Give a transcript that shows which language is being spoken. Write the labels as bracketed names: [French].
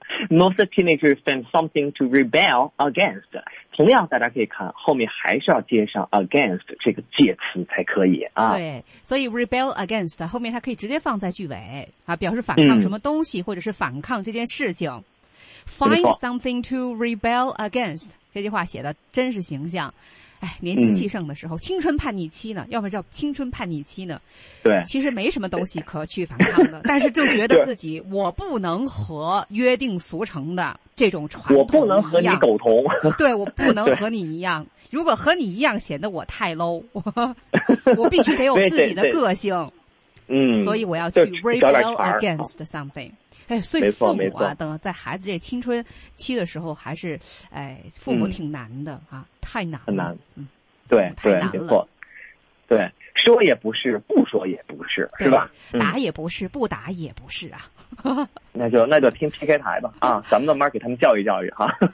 [English] Most teenagers find something to rebel against。 [Chinese] 同样，大家可以看后面还是要接上 against 这个介词才可以啊。对，所以 rebel against 后面它可以直接放在句尾啊，表示反抗什么东西，或者是反抗这件事情。 [English] Find something to rebel against [Chinese] 这句话写的真是形象。哎，年轻气盛的时候，青春叛逆期呢，要么叫青春叛逆期呢，对，其实没什么东西可去反抗的，但是就觉得自己我不能和约定俗成的这种传统，我不能和你苟同，对，我不能和你一样，如果和你一样显得我太 low， 我必须得有自己的个性，嗯，所以我要去 [English] rebel against something。 [Chinese] 哎，所以父母啊，等在孩子这青春期的时候，还是哎，父母挺难的，嗯，啊，太难了，很难，嗯，对，对，没错，对，说也不是，不说也不是，是吧？打也不是，不打也不是啊。那就听 PK 台吧，啊，咱们慢慢给他们教育教育哈。